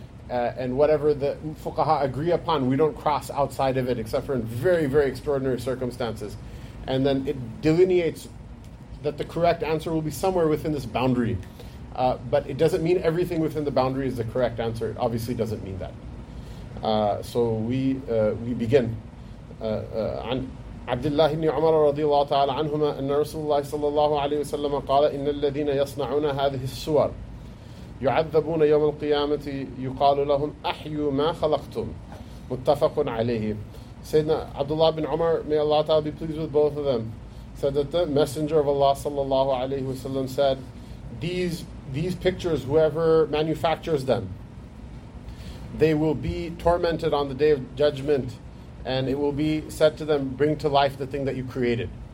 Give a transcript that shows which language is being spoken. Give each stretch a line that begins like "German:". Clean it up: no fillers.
English: And whatever the fuqaha agree upon, we don't cross outside of it except for in very, very extraordinary circumstances. And then it delineates that the correct answer will be somewhere within this boundary. But it doesn't mean everything within the boundary is the correct answer. It obviously doesn't mean that. So we begin.
Arabic: عن عبد الله بن عمر رضي الله تعالى عنهما أن رسول الله صلى الله عليه وسلم قال إن الذين يصنعون هذه الصور يعذبون يوم القيامة يقال لهم أحيوا ما خلقتم متفق عليه.
English: سيدنا عبد الله بن عمر, may Allah Ta'ala be pleased with both of them, said that the Messenger of Allah
Arabic: صلى الله عليه وسلم
English: said, These pictures, whoever manufactures them, they will be tormented on the Day of Judgment, and it will be said to them, bring to life the thing that you created.